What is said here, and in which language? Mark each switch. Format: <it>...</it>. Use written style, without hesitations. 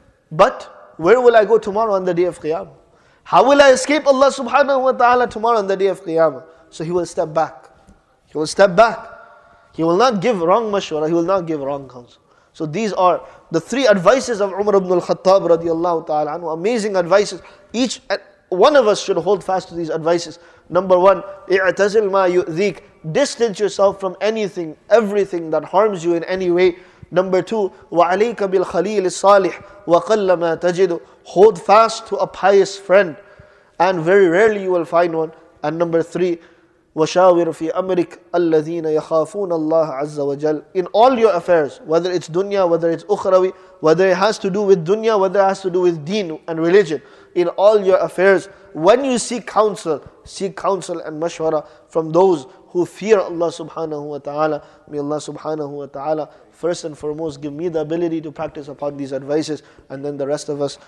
<en>But where will I go tomorrow on the day of Qiyamah? How will I escape Allah subhanahu wa ta'ala tomorrow on the day of Qiyamah? So he will step back. He will step back. He will not give wrong mashwara. He will not give wrong counsel. So these are the three advices of Umar ibn al-Khattab radiallahu ta'ala anhu. Amazing advices. Each one of us should hold fast to these advices. Number one,</en> <ar>اعتزل ما يؤذيك.</ar> <en>Distance yourself from anything, everything that harms you in any way. Number two,</en> <ar>وَعَلَيْكَ بِالْخَلِيلِ الصَّالِحِ وَقَلَّ مَا تَجِدُ.</ar> <en>Hold fast to a pious friend, and very rarely you will find one. And number three,</en> <ar>وَشَاوِرْ فِي أَمْرِكَ الَّذِينَ يَخَافُونَ اللَّهَ عَزَّ وَجَلَّ.</ar> <en>In all your affairs, whether it's dunya, whether it's ukhrawi, whether it has to do with dunya, whether it has to do with deen and religion, in all your affairs, when you seek counsel and mashwara from those who fear Allah subhanahu wa ta'ala. May Allah subhanahu wa ta'ala first and foremost give me the ability to practice upon these advices, and then the rest of us.</en>